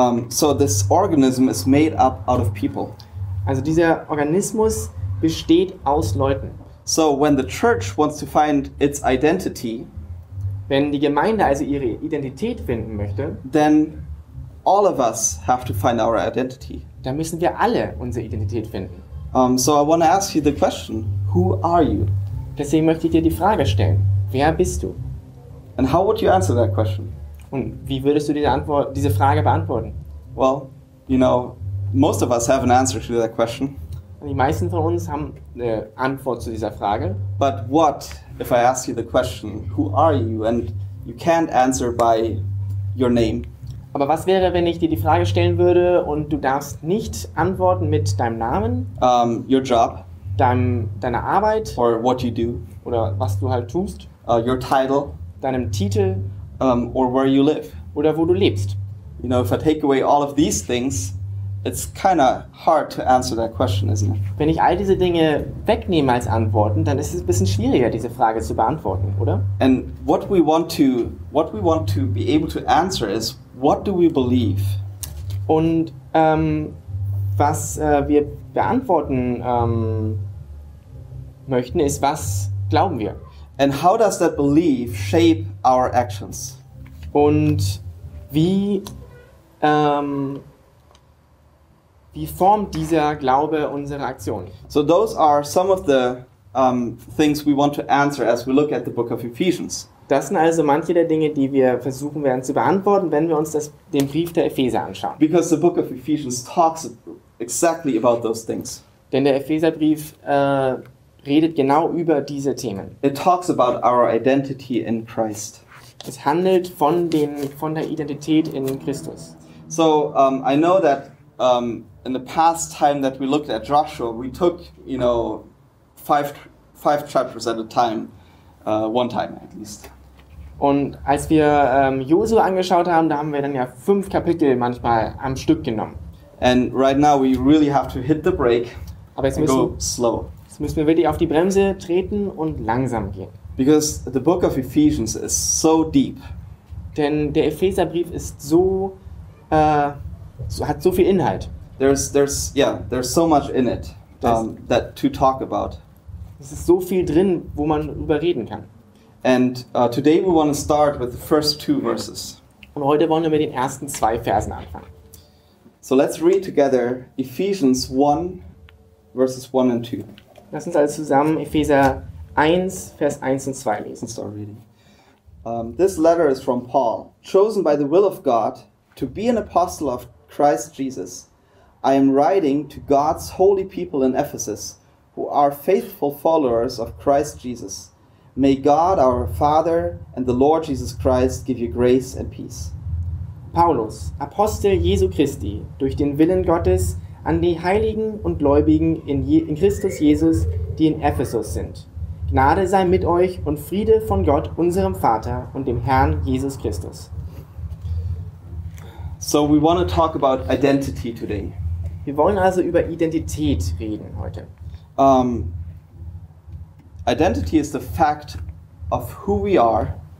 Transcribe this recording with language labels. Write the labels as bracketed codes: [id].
[en] So this organism is made up out of people. [de] Also dieser Organismus besteht aus Leuten. [en] So when the church wants to find its identity, [de] wenn die Gemeinde also ihre Identität finden möchte, [en] then all of us have to find our identity. [de] Dann müssen wir alle unsere Identität finden. [en] So I want to ask you the question, who are you? [de] Deswegen möchte ich dir die Frage stellen, wer bist du? [en] And how would you answer that question? [de] Und wie würdest du diese Frage beantworten? [en] Well, you know, most of us have an answer to that question. [de] Die meisten von uns haben eine Antwort zu dieser Frage. [en] But what if I ask you the question, who are you? And you can't answer by your name. [de] Aber was wäre, wenn ich dir die Frage stellen würde und du darfst nicht antworten mit deinem Namen? [en] Your job. [de] Deiner Arbeit. [en] Or what you do. [de] Oder was du halt tust. [en] Your title. [de] Deinem Titel. [en] Or where you live. [de] Oder wo du lebst. [en] You know, if I take away all of these things, it's kind of hard to answer that question, isn't it? [de] Wenn ich all diese Dinge wegnehme als Antworten, dann ist es ein bisschen schwieriger, diese Frage zu beantworten, oder? [en] And what we want to be able to answer is, what do we believe? [de] Und was wir beantworten möchten, ist, was glauben wir? [en] And how does that belief shape our actions? [de] Und wie formt dieser Glaube unsere Aktion? [en] So those are some of the things we want to answer as we look at the book of Ephesians. [de] Das sind also manche der Dinge, die wir versuchen werden zu beantworten, wenn wir uns den Brief der Epheser anschauen. [en] Because the book of Ephesians talks exactly about those things. [de] Denn der Epheserbrief redet genau über diese Themen. [en] It talks about our identity in Christ. [de] Es handelt von der Identität in Christus. [en] So I know that in the past time that we looked at Joshua, we took, you know, five chapters at a time, one time at least. [de] Und als wir Josua angeschaut haben, da haben wir dann ja fünf Kapitel manchmal am Stück genommen. [en] And right now we really have to hit the brake. [de] Aber jetzt müssen, [en] go slow. [de] Jetzt müssen wir wirklich auf die Bremse treten und langsam gehen. [en] Because the book of Ephesians is so deep. [de] Denn der Epheserbrief ist so, so hat so viel Inhalt. [en] There's so much in it that to talk about. [de] Es ist so viel drin, wo man drüber reden kann. [en] And today we want to start with the first two verses. [de] Und heute wollen wir mit den ersten zwei Versen anfangen. [en] So let's read together Ephesians 1, verses 1 and 2. [de] Lass uns also zusammen Epheser 1, Vers 1 und 2 lesen. [en] Let's start reading. This letter is from Paul, chosen by the will of God to be an apostle of Christ Jesus. I am writing to God's holy people in Ephesus, who are faithful followers of Christ Jesus. May God, our Father, and the Lord Jesus Christ give you grace and peace. [de] Paulus, Apostel Jesu Christi, durch den Willen Gottes an die Heiligen und Gläubigen in Christus Jesus, die in Ephesus sind. Gnade sei mit euch und Friede von Gott, unserem Vater und dem Herrn Jesus Christus. [en] So we want to talk about identity today. [de] Wir wollen also über Identität reden heute. [en] Identity is the fact of who we are.